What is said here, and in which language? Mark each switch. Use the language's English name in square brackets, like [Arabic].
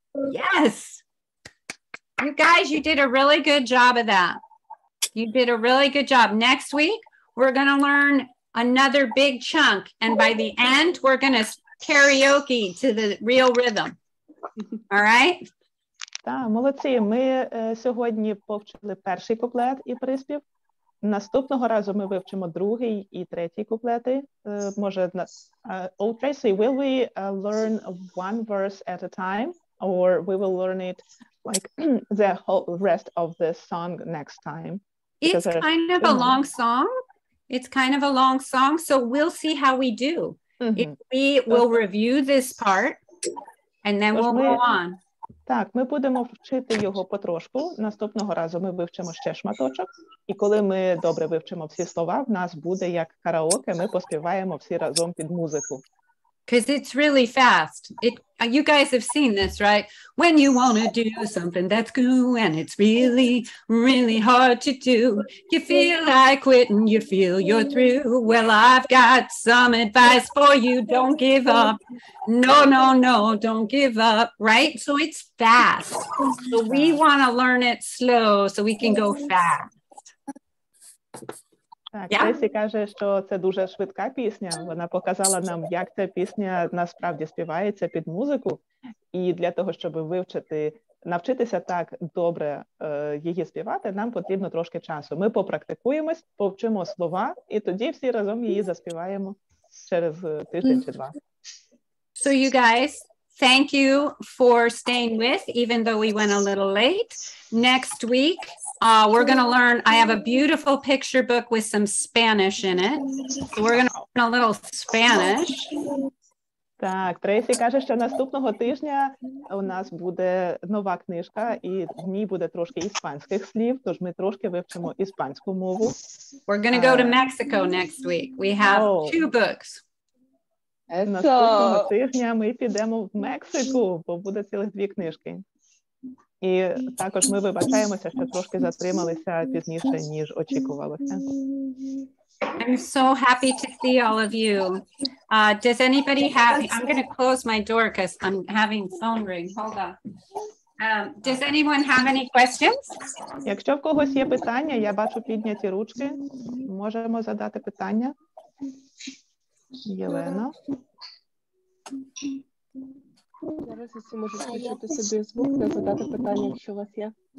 [English] Yes! You guys, you did a really good job of that. You did a really good job. Next week, we're going to learn another big chunk, and by the end, we're going to karaoke to the real rhythm. All right? [Ukrainian] Так, молодці. Ми сьогодні повчили перший куплет і приспів. Наступного разу ми вивчимо другий і третій куплети. Може, [English] Tracy, will we learn one verse at a time, or we will learn it like the whole rest of the song next time. It's kind of a long song. It's kind of a long song. So we'll see how we do. Mm-hmm. If we will review this part and then we'll move on. [Ukrainian] Так, ми будемо вчити його потрошку. Наступного разу ми вивчимо ще шматочок. І коли ми добре вивчимо всі слова, в нас буде як караоке, ми поспіваємо всі разом під музику. [English] Because it's really fast. You guys have seen this, right? When you want to do something that's cool and it's really, really hard to do. You feel like quitting, you feel you're through. Well, I've got some advice for you. Don't give up. No, no, no, don't give up. Right? So it's fast. So we want to learn it slow so we can go fast. [Ukrainian] Так, [English] yeah. [Ukrainian] Тресі каже, що це дуже швидка пісня. Вона показала нам, як ця пісня насправді співається під музику. І для того, щоб вивчити, навчитися так добре її співати, нам потрібно трошки часу. Ми попрактикуємось, повчимо слова, і тоді всі разом її заспіваємо через тиждень чи два. [English] So you guys, thank you for staying with, even though we went a little late. Next week, we're going to learn, I have a beautiful picture book with some Spanish in it. So we're going to learn a little Spanish. [Ukrainian] Так, Трейсі каже, що наступного тижня у нас буде нова книжка, і в ній буде трошки іспанських слів, тож ми трошки вивчимо іспанську мову. [English] We're going to go to Mexico next week. We have two books. [Ukrainian] Наступного тижня ми підемо в Мексику, бо буде цілих дві книжки. І також ми вибачаємося, що трошки затрималися пізніше, ніж очікувалося. [English] I'm so happy to see all of you. Does anybody have... I'm going to close my door because I'm having phone ring. Hold on. Does anyone have any questions? [Ukrainian] Якщо в когось є питання, я бачу підняті ручки. Можемо задати питання. Єлена. Зараз я можу включити собі звук та задати питання, якщо у вас є.